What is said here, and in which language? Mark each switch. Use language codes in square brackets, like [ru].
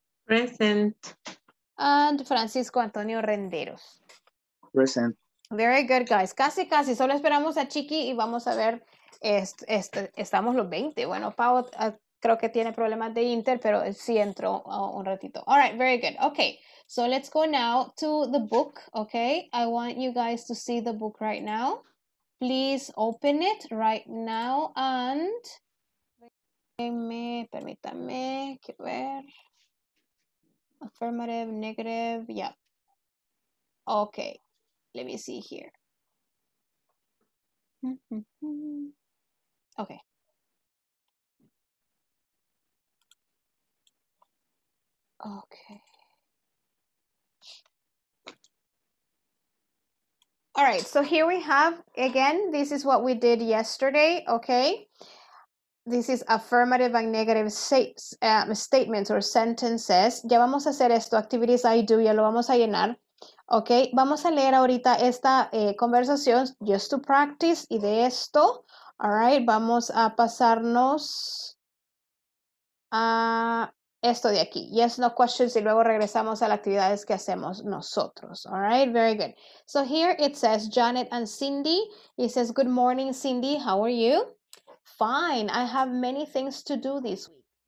[en] Present. And Francisco Antonio Renderos. Present. [es] Very good, guys. Casi, casi. Solo esperamos a Chiqui y vamos a ver. Estamos los 20. Bueno, Pau creo que tiene problemas de Inter, pero sí entró un ratito. [en] All right, very good. Okay, so let's go now to the book, okay? I want you guys to see the book right now. Please open it right now and... [es] Permítame, quiero ver. [en] Affirmative, negative, yep. Okay, let me see here. Okay. Okay. All right, so here we have, again, this is what we did yesterday, okay? This is affirmative and negative statements or sentences. [es] Ya vamos a hacer esto, [en] activities I do, [es] ya lo vamos a llenar. Ok, vamos a leer ahorita esta conversación, [en] just to practice, [es] y de esto, all right, vamos a pasarnos a esto de aquí. [en] Yes, no questions, [es] y luego regresamos a las actividades que hacemos nosotros. [en] All right, very good. So here it says, Janet and Cindy, it says, good morning, Cindy, how are you? Fine, I have many things to do this week.